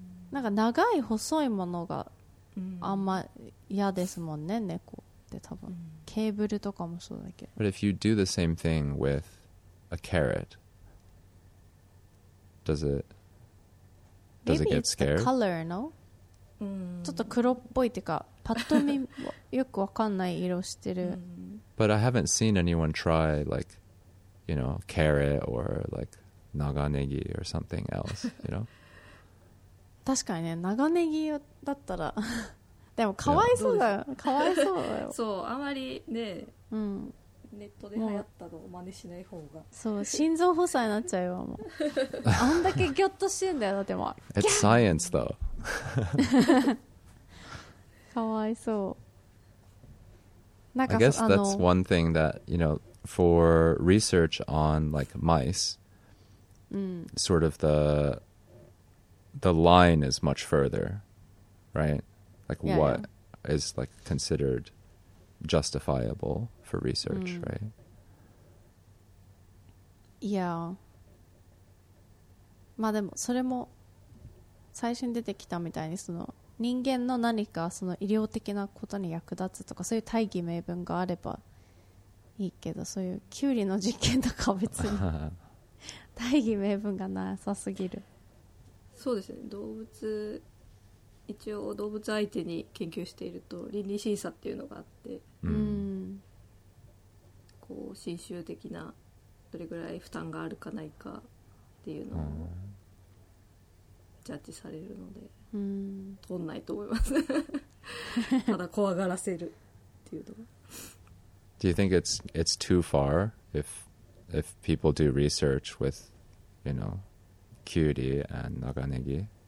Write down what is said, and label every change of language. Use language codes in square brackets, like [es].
[ja] なんか長い細いものがあんま嫌ですもんね、猫って多分、ケーブルとかもそうだけど。 [en] But if you do the same thing with a carrot, does it get scared? Maybe it's the color, no? [ja] ちょっと黒っぽいっていうか。パッと見よくわかんない色してる。 [en] But I haven't seen anyone try like, you know, carrot or like 長ネギ or something else, you know? [ja] 確かにね、長ネギだったらでもかわいそうだよ、かわいそうだよ。そう、あまりね、ネットで流行ったのを真似しない方が。そう、心臓発作になっちゃうよ、もう。あんだけギョッとしてんだよ、だっても [en] う。It's science though. I guess that's one thing that, you know, for research on like mice, sort of the line is much further, right? Like what is like considered justifiable for research, right? Yeah. [ja] まあでもそれも最初に出てきたみたいにその人間の何かその医療的なことに役立つとかそういう大義名分があればいいけど、そういうキュウリの実験とかは別に大義名分がなさすぎる。そうですね、動物、一応動物相手に研究していると倫理審査っていうのがあって、こう侵襲的などれぐらい負担があるかないかっていうのをジャッジされるので、取んないと思います。ただ怖がらせるっていうのが。 [en] Do you think it's too far if people do research with, you know, cutie and 長ネギ?